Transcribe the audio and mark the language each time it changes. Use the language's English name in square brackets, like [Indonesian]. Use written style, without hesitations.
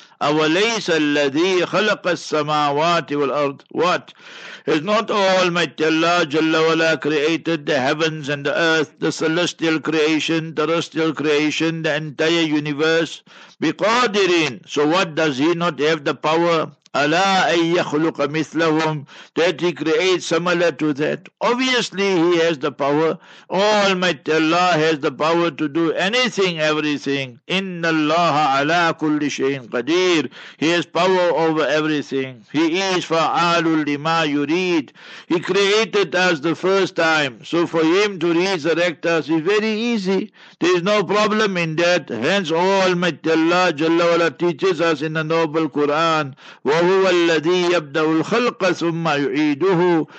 [Arabic] أَوَلَيْسَ الَّذِي خَلَقَ السَّمَاوَاتِ وَالْأَرْضِ. [English] What? Has not Almighty Allah Jalla Wala created the heavens and the earth, the celestial creation, terrestrial creation, the entire universe? [Arabic] بِقَادِرِينَ. [English] So what, does He not have the power? [Arabic] Ala أَن يَخْلُقَ مِثْلَهُمْ. [English] That He creates similar to that. Obviously He has the power. Almighty Allah has the power to do anything, everything. [Arabic] إِنَّ اللَّهَ عَلَىٰ كُلِّ شَيْءٍ قَدِيرٌ. [English] He has power over everything. He is [Arabic] فَعَالُ لِمَا يُرِيدٌ. [English] He created us the first time. So for Him to resurrect us is very easy. There is no problem in that. Hence Almighty Allah Jalla Wala teaches us in the Noble Quran, [Arabic] وَهُوَ الَّذِي يَبْدَأُ الْخَلْقَ ثُمَّ يُعِيدُهُ.